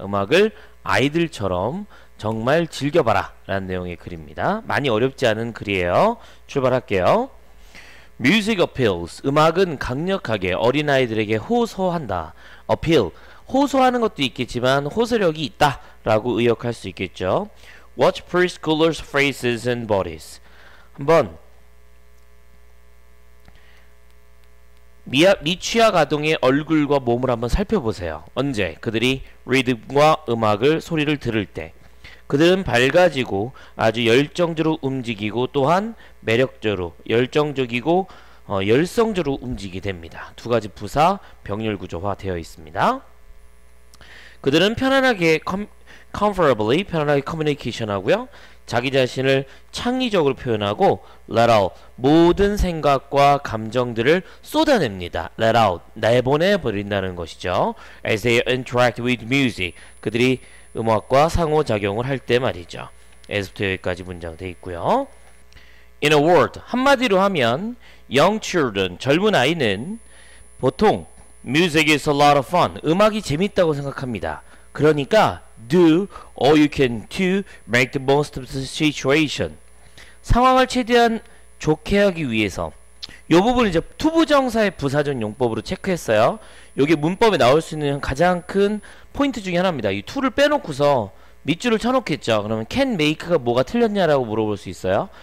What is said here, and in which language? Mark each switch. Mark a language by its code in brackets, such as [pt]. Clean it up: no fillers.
[ko] 음악을 아이들처럼 정말 즐겨봐라 라는 내용의 글입니다. 많이 어렵지 않은 글이에요. 출발할게요. [en] Music appeals. [ko] 음악은 강력하게 어린아이들에게 호소한다. [en] Appeal. [ko] 호소하는 것도 있겠지만 호소력이 있다 라고 의역할 수 있겠죠. [en] Watch preschoolers' faces and bodies. [ko] 한번 미취학 아동의 얼굴과 몸을 한번 살펴보세요. 언제? 그들이 리듬과 음악을 소리를 들을 때 그들은 밝아지고 아주 열정적으로 움직이고 또한 매력적으로 열정적이고 열성적으로 움직이게 됩니다. 두 가지 부사 병렬구조화 되어 있습니다. 그들은 편안하게 comfortably 편안하게 커뮤니케이션 하고요. 자기 자신을 창의적으로 표현하고 [en] let out [ko] 모든 생각과 감정들을 쏟아냅니다. [en] let out [ko] 내보내버린다는 것이죠. [en] As they interact with music [ko] 그들이 음악과 상호작용을 할 때 말이죠. As부터 여기까지 문장 돼 있고요. [en] In a word [ko] 한마디로 하면 [en] young children [ko] 젊은 아이는 보통 [en] music is a lot of fun [ko] 음악이 재밌다고 생각합니다. 그러니까 [en] do all you can to make the most of the situation. [ko] 상황을 최대한 좋게 하기 위해서 요 부분을 이제 투부정사의 부사전 용법으로 체크했어요. 요게 문법에 나올 수 있는 가장 큰 포인트 중에 하나입니다. 이 to를 빼놓고서 밑줄을 쳐놓겠죠. 그러면 can make가 뭐가 틀렸냐라고 물어볼 수 있어요.